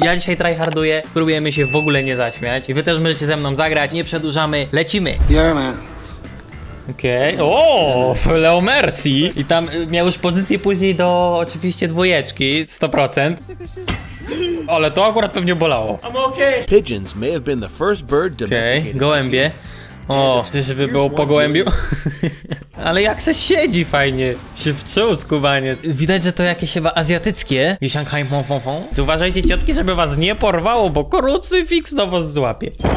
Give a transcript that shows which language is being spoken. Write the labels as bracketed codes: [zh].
[pl] Ja dzisiaj tryharduję, spróbujemy się w ogóle nie zaśmiać. I wy też możecie ze mną zagrać, nie przedłużamy, lecimy! Bierzemy! Okej, okay. O, Leo Mercy! I tam miał już pozycję później do oczywiście dwójeczki, 100%. Ale to akurat pewnie bolało. [en] Pigeons may have been the first bird domesticated. [pl] Okej, gołębie. O, chcę, żeby było po gołębiu. Ale jak se siedzi fajnie, się wczuł, skubaniec. Widać, że to jakieś chyba azjatyckie. Czy uważajcie, ciotki, żeby was nie porwało, bo krucyfiks do was złapie.